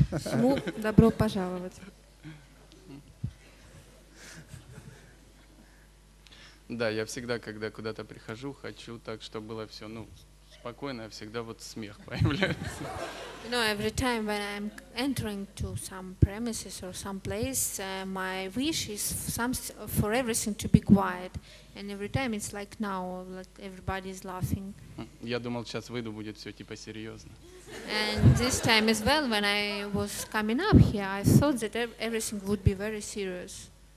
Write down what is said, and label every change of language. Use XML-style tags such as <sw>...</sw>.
<ru>Всему добро пожаловать. Да, я всегда, когда куда-то прихожу, хочу так, чтобы было все, ну, спокойно, всегда вот смех появляется.</ru> <en>You know, every time when I'm entering to some premises or some place, my wish is for everything to be quiet. And every time it's like now, like everybody is laughing.</en> <ru>Я думал, сейчас выйду, будет все типа серьезно.</ru> <en>And this time as well, when I was coming up here, I thought that everything would be very serious.</en>